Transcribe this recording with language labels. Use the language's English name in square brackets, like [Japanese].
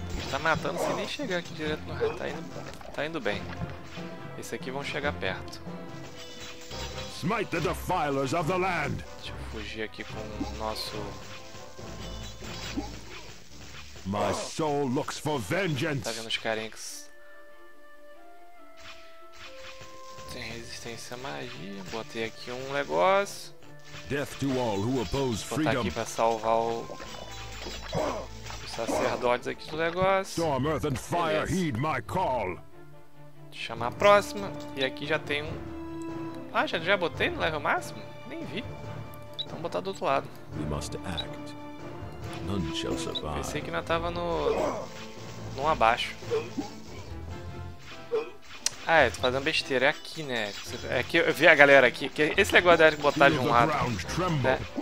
[Portuguese] Tá matando sem nem chegar aqui direto no reto. Tá indo bem. Esse aqui vão chegar perto. [English] Smite the defilers of the land. [Portuguese] Deixa eu fugir aqui com o nosso. [English] My soul looks for vengeance. [Portuguese] Tá vendo os carinhas. Tem resistência à magia. Botei aqui um negócio. [English] Death to all who oppose freedom. [Portuguese] Aqui para salvar os sacerdotes aqui do negócio. [English] Storm, earth and fire, heed my call. [Portuguese] Chamar a próxima. E aqui já tem um. Ah, já botei no level máximo? Nem vi. Então vou botar do outro lado. [English] We must act. None shall survive. [Portuguese] Pensei que ainda tava no abaixo. Ah, eu tô fazendo besteira, é aqui, né? É que eu vi a galera aqui, que esse negócio deve botar de um lado, né?